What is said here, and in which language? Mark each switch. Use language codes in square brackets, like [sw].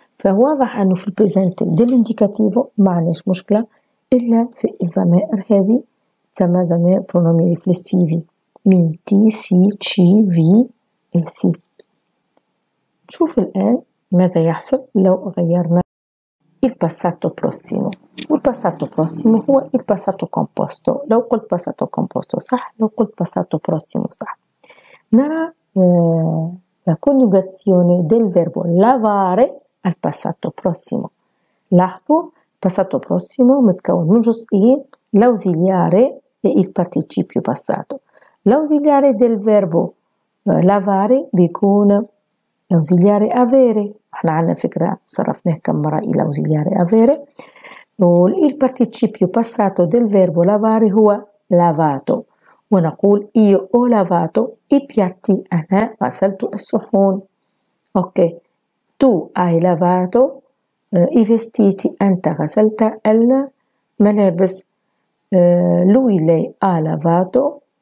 [ar] فواضح أنه في البريزنت ديال الانديكاتيفو ما عندناش مشكلة، إلا في الضمائر هذه تسمى ضمائر برونومي ريفليسيفي مي تي سي تشي في إي سي. نشوف الآن ماذا يحصل لو غيرنا الباساتو بروسيمو، والباساتو بروسيمو هو الباساتو كومبوستو، لو قلت باساتو كومبوستو صح، لو قلت باساتو بروسيمو صح. [it] نرى la coniugazione del verbo lavare al passato prossimo. لاحظوا passato prossimo [ar] متكون من جزئين، [it] l'ausiliare e il participio passato. L'ausiliare del verbo lavare [ar] بيكون l'ausiliare avere، احنا عندنا فكرة صرفناه كم مرة الى l'ausiliare avere. [it] il participio passato del verbo lavare هو lavato، ونقول io ho lavato i piatti، [ar] انا غسلت الصحون. [it] اوكي، tu hai lavato i vestiti، [ar] أنت غسلت الملابس. [it] Lui lei ha lavato